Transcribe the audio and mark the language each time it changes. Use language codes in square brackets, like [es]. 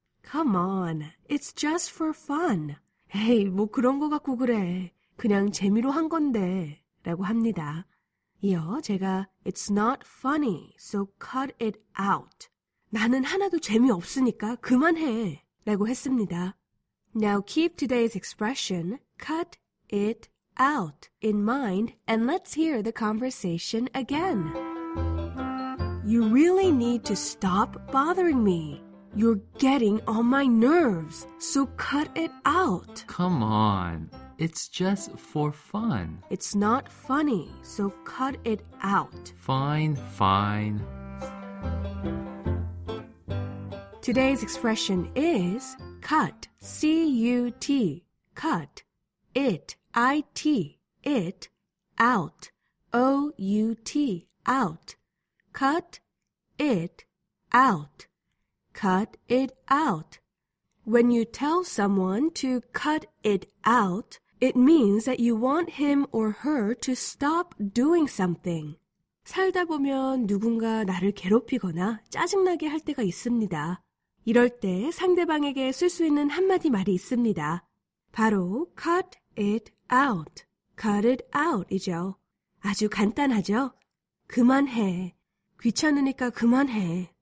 [en] Come on, it's just for fun. [ko] 에이, 뭐 그런 거 갖고 그래. 그냥 재미로 한 건데. 라고 합니다. 이어 제가 [en] It's not funny, so cut it out. [ko] 나는 하나도 재미없으니까 그만해. 라고 했습니다. [en] Now keep today's expression, cut it out, in mind, and let's hear the conversation again. You really need to stop bothering me. You're getting on my nerves, so cut it out. Come on. It's just for fun. It's not funny, so cut it out. Fine, fine. Today's expression is cut, C-U-T, cut, it, I-T, it, out, O-U-T, out, cut, it, out, cut it out. When you tell someone to cut it out, it means that you want him or her to stop doing something. [ko] 살다 보면 누군가 나를 괴롭히거나 짜증나게 할 때가 있습니다. 이럴 때 상대방에게 쓸 수 있는 한마디 말이 있습니다. 바로 cut it out. cut it out이죠. 아주 간단하죠? 그만해. 귀찮으니까 그만해.